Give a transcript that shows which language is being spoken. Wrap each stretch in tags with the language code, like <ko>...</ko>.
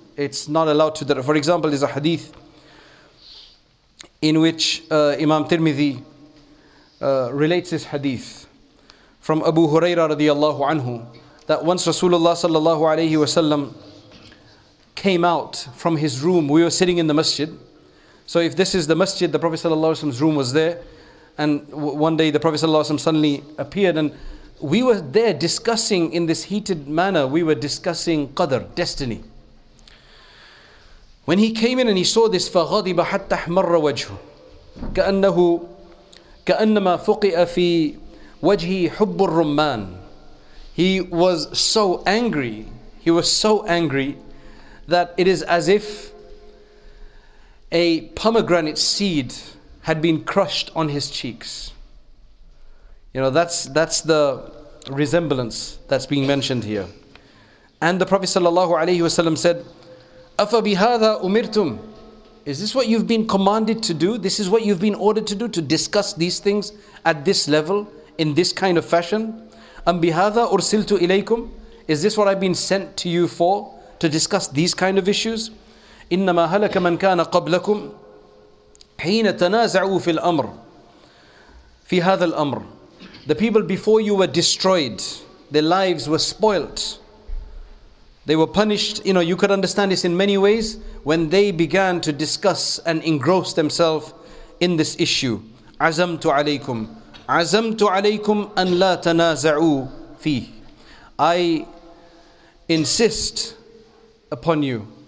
<en>It's not allowed to. For example, there's a hadith in which Imam Tirmidhi relates this hadith from Abu Huraira radiallahu anhu, that once Rasulullah sallallahu alayhi wa sallam came out from his room. We were sitting in the masjid. So if this is the masjid, the Prophet ﷺ's room was there. And one day the Prophet ﷺ suddenly appeared, and we were there discussing in this heated manner. We were discussing Qadr, destiny. When he came in and he saw this,</en> <ar>فَغَضِبَ حَتَّ حَمَرَّ وَجْهُ كَأَنَّهُ كَأَنَّمَا فُقِئَ فِي وَجْهِ حُبُّ الرُّمَّانِ.</ar> <en>He was so angry. He was so angry that it is as if a pomegranate seed had been crushed on his cheeks. You know, that's the resemblance that's being mentioned here. And the Prophet sallallahu alaihi wasallam said,</en> <ar>"Afa bihadha umirtum?"</ar> <en>Is this what you've been commanded to do? This is what you've been ordered to do, to discuss these things at this level in this kind of fashion?</en> <ar>"Am bihadha ursiltu ilaykum?"</ar> <en>Is this what I've been sent to you for, to discuss these kind of issues?</en> <ar>إِنَّمَا هَلَكَ مَنْ كَانَ قَبْلَكُمْ حِينَ تَنَازَعُوا فِي الْأَمْرِ فِي هَذَا الْأَمْرِ.</ar> <en>The people before you were destroyed. Their lives were spoiled. They were punished. You know, you could understand this in many ways. When they began to discuss and engross themselves in this issue.</en> <ar>عَزَمْتُ عَلَيْكُمْ عَزَمْتُ عَلَيْكُمْ أَنْ لَا تَنَازَعُوا فِيهِ.</ar> <en>I insist upon you.</en>